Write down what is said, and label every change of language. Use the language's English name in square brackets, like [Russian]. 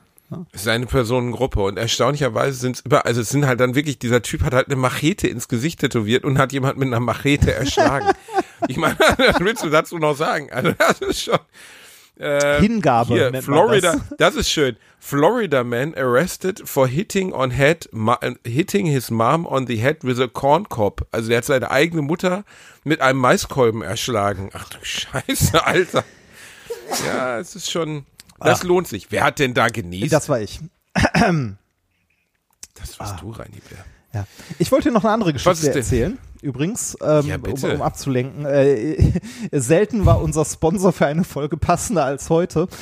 [German] Ja? Es ist eine Personengruppe und erstaunlicherweise sind es überall, also es sind halt dann wirklich, dieser Typ hat halt eine Machete ins Gesicht tätowiert und hat jemand mit einer Machete erschlagen. Ich meine, was willst du dazu noch sagen? Also das ist schon... Hingabe. Hier, nennt Florida, man das. Das ist schön. [English] Florida man arrested for hitting his mom on the head with a corn cob. [German] Also der hat seine eigene Mutter mit einem Maiskolben erschlagen. Ach du Scheiße, Alter. Ja, es ist schon. Das lohnt sich. Wer hat denn da genießt? Das war ich. Das warst du, Reini Bär. Ja. Ich wollte dir noch eine andere Geschichte erzählen. Übrigens, um abzulenken, selten war unser Sponsor für eine Folge passender als heute.